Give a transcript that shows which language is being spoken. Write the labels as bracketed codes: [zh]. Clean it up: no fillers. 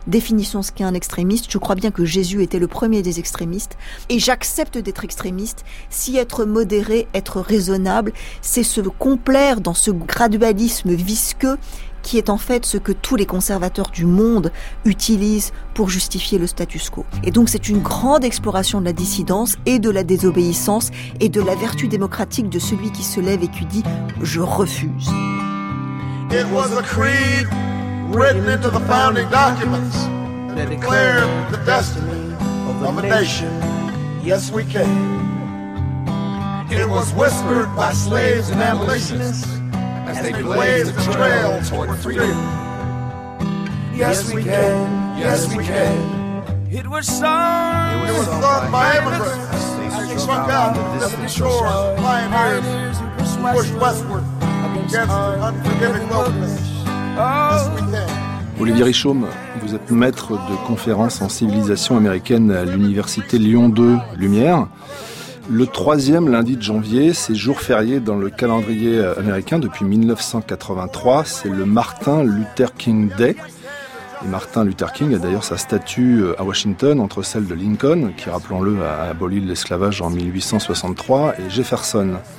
[fr] Définissons ce qu'est un extrémiste, je crois bien que Jésus était le premier des extrémistes et j'accepte d'être extrémiste si être modéré, être raisonnable, c'est se complaire dans ce gradualisme visqueux qui est en fait ce que tous les conservateurs du monde utilisent pour justifier le status quo. Et donc c'est une grande exploration de la dissidence et de la désobéissance et de la vertu démocratique de celui qui se lève et qui dit « je refuse ». [en] It was a creed written into the founding documents that declared the destiny of the nation. Yes, we can. It was whispered by slaves and abolitionists as they blazed the trail toward freedom. Yes, we can. Yes, we can. It was sung. It was sung by immigrants as they struck out to the distant shore of pioneers who pushed westward. [fr] Olivier Richaume, vous êtes maître de conférences en civilisation américaine à l'Université Lyon 2 Lumière. Le troisième lundi de janvier, c'est jour férié dans le calendrier américain depuis 1983. C'est le Martin Luther King Day. Et Martin Luther King a d'ailleurs sa statue à Washington entre celle de Lincoln, qui, rappelons-le, a aboli l'esclavage en 1863, et Jefferson.